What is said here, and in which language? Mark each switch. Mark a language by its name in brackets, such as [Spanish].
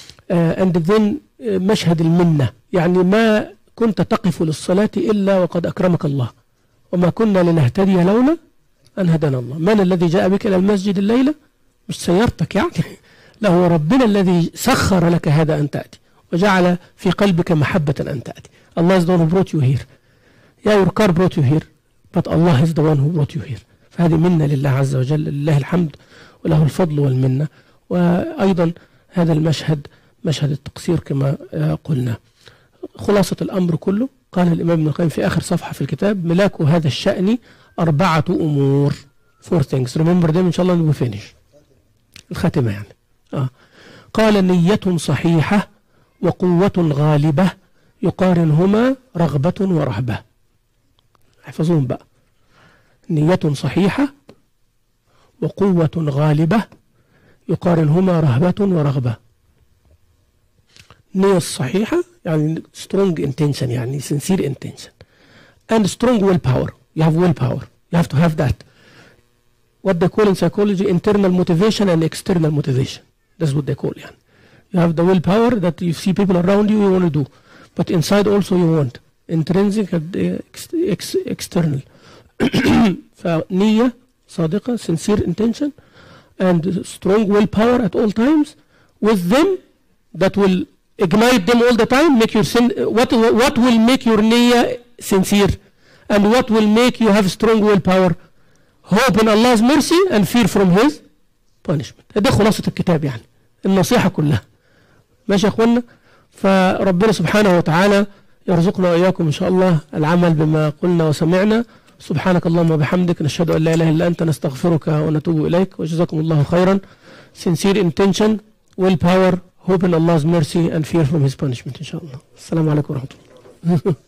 [English] And then [Arabic] مشهد المنة، يعني ما كنت تقف للصلاة إلا وقد أكرمك الله، وما كنا لنهتدي لولا أن هدانا الله. من الذي جاء بك إلى المسجد الليلة؟ مش سيارتك يعني، لا هو ربنا الذي سخر لك هذا أن تأتي وجعل في قلبك محبة أن تأتي. [English] Allah is the one who brought you here. Yeah, your car brought you here, but Allah is the one who brought you here. [Arabic] فهذه منة لله عز وجل، لله الحمد وله الفضل والمنة. وأيضا هذا المشهد مشهد التقصير كما قلنا. خلاصة الأمر كله قال الإمام ابن القيم في آخر صفحة في الكتاب: ملاك هذا الشأن أربعة أمور. [English] Four things. Remember them [Arabic] إن شاء الله [English] we finish. [Arabic] الخاتمة يعني. قال: نية صحيحة وقوة غالبة يقارنهما رغبة ورهبة. احفظوهم بقى. نية صحيحة وقوة غالبة يقارنهما رهبة ورغبة. نية صحيحة يعني [English] strong intention، يعني sincere intention and strong willpower. You have willpower. You have to have that. what they call in psychology internal motivation and external motivation. That's what they call. You have the willpower that you see people around you, you want to do. But inside also you want. Intrinsic and external. Niyya, sadiqa, sincere intention, and strong willpower at all times with them that will ignite them all the time. Make your sin, what will make your niyya sincere? And what will make you have strong willpower? Hope in Allah's mercy and fear from His punishment. [Arabic] هذا خلاصة الكتاب يعني. النصيحة كلها. ماشي يا أخوانا؟ فربنا سبحانه وتعالى يرزقنا وإياكم إن شاء الله العمل بما قلنا وسمعنا. سبحانك اللهم وبحمدك، نشهد أن لا إله إلا أنت، نستغفرك ونتوب إليك، وجزاكم الله خيرا. [English] Sincere intention, willpower, hope in Allah's mercy and fear from His punishment [Arabic] إن شاء الله. السلام عليكم ورحمة الله.